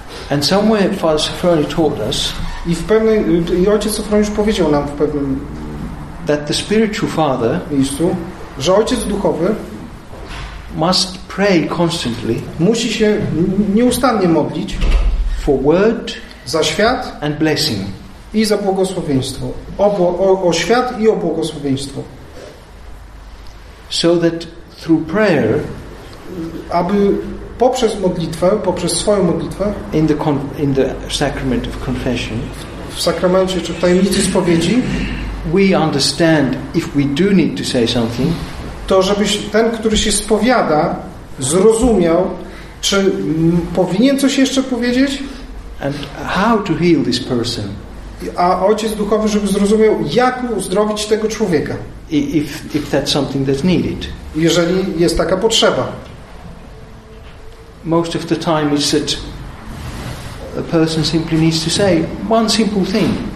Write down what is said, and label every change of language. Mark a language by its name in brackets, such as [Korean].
[English] And somewhere Father Sofroni taught us, [Polish] i ojciec Sofroniusz powiedział nam w pewnym, [English] that the spiritual father [Polish] miejscu, że ojciec duchowy [English] must pray constantly, [Polish] musi się nieustannie modlić [English] for word, [Polish] za świat [English] and blessing, [Polish] i za błogosławieństwo, o świat i o błogosławieństwo. [English] So that through prayer, [Polish] aby poprzez modlitwę, poprzez swoją modlitwę, [English] in the sacrament of confession, [Polish] w sakramencie czy w tajemnicy spowiedzi, [English] we understand if we do need to say something, [Polish] to żeby ten, który się spowiada, zrozumiał, czy powinien coś jeszcze powiedzieć, [English] and how to heal this person, [Polish] a ojciec duchowy, żeby zrozumiał, jak uzdrowić tego człowieka. [English] If that's something that's needed. [Polish] Jeżeli jest taka potrzeba. [English] Most of the time it's that a person simply needs to say one simple thing.